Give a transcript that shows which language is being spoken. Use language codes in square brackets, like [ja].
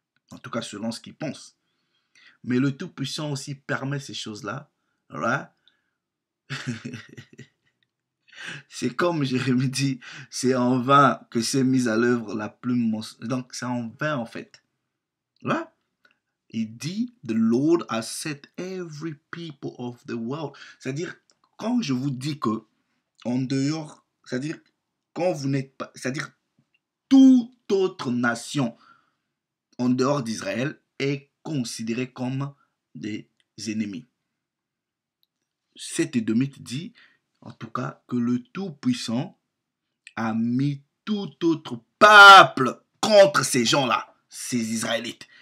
[fr] En tout cas, selon ce qu'ils pensent. Mais le Tout-Puissant aussi permet ces choses-là. Voilà. C'est comme Jérémie dit, c'est en vain que s'est mise à l'œuvre la plume monstrueuse. Donc, c'est en vain en fait. Voilà. Il dit, [en] The Lord has set every people of the world. [fr] C'est-à-dire, quand je vous dis que, en dehors, c'est-à-dire, quand vous n'êtes pas, c'est-à-dire, toute autre nation en dehors d'Israël est considérée comme des ennemis. Cet Édomite dit, en tout cas, que le Tout-Puissant a mis tout autre peuple contre ces gens-là, ces Israélites.